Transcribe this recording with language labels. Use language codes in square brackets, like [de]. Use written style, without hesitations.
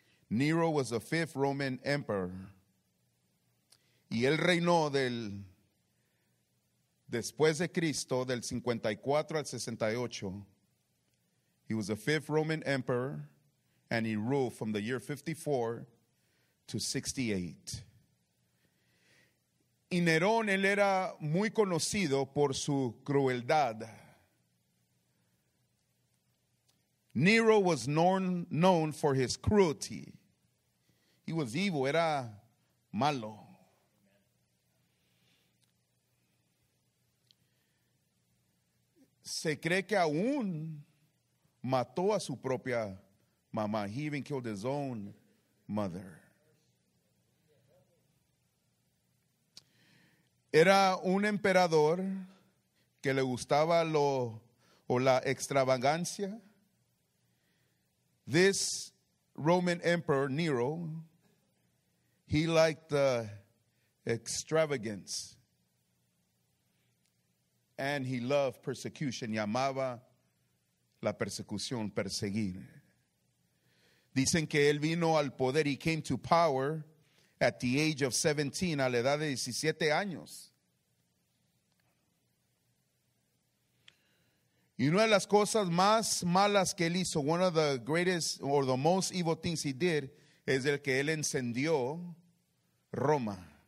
[en] Nero was the fifth Roman emperor. [es] Y él reinó del, después de Cristo, del 54 al 68. [en] He was the fifth Roman emperor, and he ruled from the year 54 to 68. [es] Y Nerón, él era muy conocido por su crueldad. [en] Nero was known for his cruelty. He was evil, [es] era malo. Se cree que aún mató a su propia mamá. [en] He even killed his own mother. [es] Era un emperador que le gustaba lo o la extravagancia. [en] This Roman emperor, Nero, he liked the extravagance. And he loved persecution. [es] Y amaba la persecución, perseguir. Dicen que él vino al poder. [en] He came to power at the age of 17, [es] a la edad de 17 años. Y una de las cosas más malas que él hizo, [en] one of the greatest or the most evil things he did, [es] es el que él encendió Roma.